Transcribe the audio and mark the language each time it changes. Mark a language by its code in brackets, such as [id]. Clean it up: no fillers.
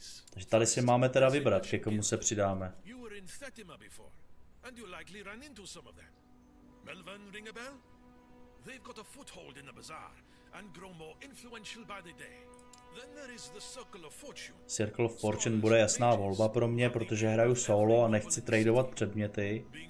[cs] Takže tady si máme teda vybrat, ke komu se přidáme. [en] You were in Fatima before, and you likely ran into some of them. Melvin ring a bell? They've got a foothold in the bazaar and grow more influential by the day. Then there is the Circle of Fortune. [cs] Circle of Fortune bude jasná volba pro mě, protože hraju solo a nechci tradovat předměty.